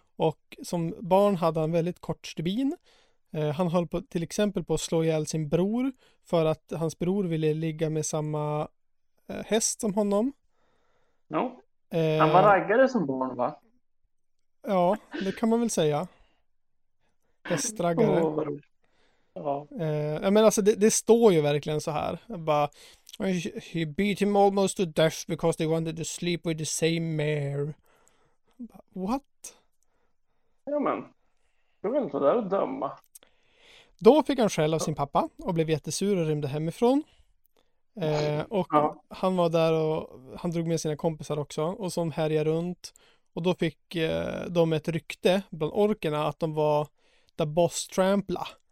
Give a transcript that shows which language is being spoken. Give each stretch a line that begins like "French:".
Swedish: Och som barn hade han väldigt kort stubin. Han höll på, till exempel på att slå ihjäl sin bror för att hans bror ville ligga med samma häst som honom.
English: No.
Swedish: Han var raggare som barn, va? Ja, det kan man väl säga. Hästraggare. Åh, vad roligt. Ja. Men alltså det står ju verkligen så här. Bara,
English: he beat him almost to death because they wanted to sleep with the same mare. What?
Swedish: Ja, men. Jag vill inte vara där och döma. Då fick han skäll av sin pappa och blev jättesur och rymde hemifrån. Och Ja. han var där och han drog med sina kompisar också och som härjade runt. Och då fick de ett rykte bland orkerna att de var the boss trampla.